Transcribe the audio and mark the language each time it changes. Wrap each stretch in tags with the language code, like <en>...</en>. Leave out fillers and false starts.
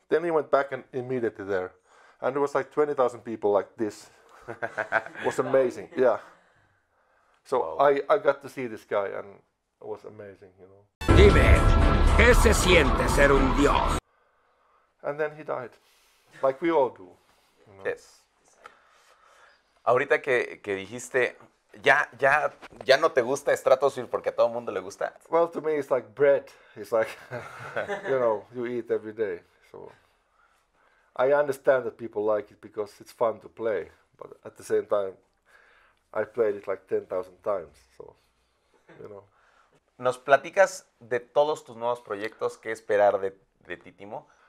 <en>Then he went back and immediately there, and there was like 20,000 people like this. It was amazing. Yeah. So wow. I got to see this guy and it was amazing, you know.</en> <es>Dime, ¿qué se siente ser un dios?</es> <en>And then he died, like we all do. You know? Yes.</en> <es>Ahorita que dijiste, ya no te gusta Stratosphere porque a todo mundo le gusta.</es> <en>Well, to me it's like bread. It's like, you know, you eat every day. So I understand that people like it because it's fun to play. But at the same time, I played it like 10,000 times. So, you know.</en> <es>¿Nos platicas de todos tus nuevos proyectos? ¿Qué esperar de ti, Timo?</es>